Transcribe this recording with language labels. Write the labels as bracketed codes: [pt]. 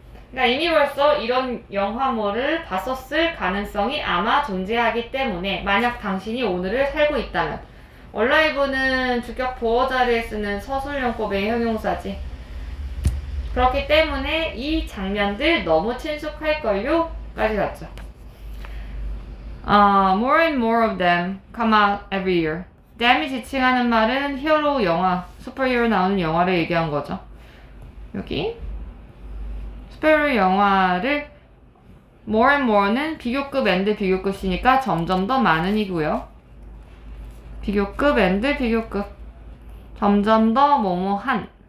[ko] 그러니까 이미 벌써 이런 영화물을 봤었을 가능성이 아마 존재하기 때문에 만약 당신이 오늘을 살고 있다면 얼라이브는 주격 보어 자리에 쓰는 서술용법의 형용사지. 그렇기 때문에 이 장면들 너무 친숙할걸요? 까지 갔죠. [en] More and more of them come out every year. [ko] Them이 지칭하는 말은 히어로 영화, 슈퍼히어로 나오는 영화를 얘기한 거죠. 여기 슈퍼히어로 영화를 More and more는 비교급 and 비교급이니까 점점 더 많은이고요. 비교급 and 비교급. 점점 더 뭐뭐한.